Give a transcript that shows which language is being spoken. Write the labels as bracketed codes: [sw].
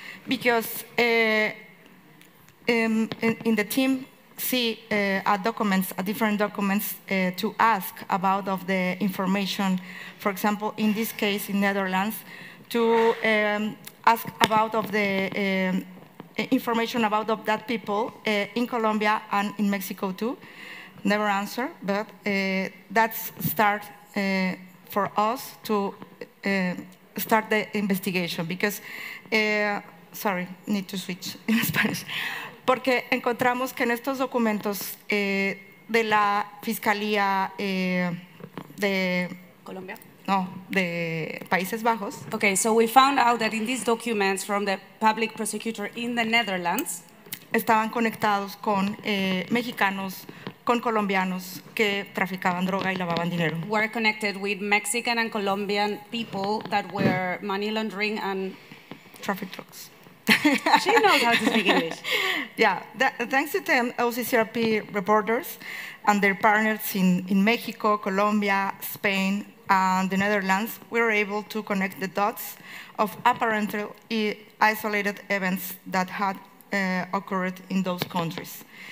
[en] Because in the team see different documents to ask about of the information, for example, in this case in Netherlands, to ask about of the information about of that people in Colombia and in Mexico too. Never answer, but that's start for us to start the investigation because, sorry, need to switch in Spanish. [es] Porque encontramos que en estos documentos de la Fiscalía de Colombia, no, de Países Bajos. [en] Okay, so we found out that in these documents from the public prosecutor in the Netherlands, [es] estaban conectados con mexicanos. Con colombianos que traficaban droga y lavaban dinero. [en] Were connected with Mexican and Colombian people that were money laundering and traffic drugs. She knows how to speak English. Yeah, thanks to them, OCCRP reporters and their partners in Mexico, Colombia, Spain, and the Netherlands, we were able to connect the dots of apparently isolated events that had occurred in those countries.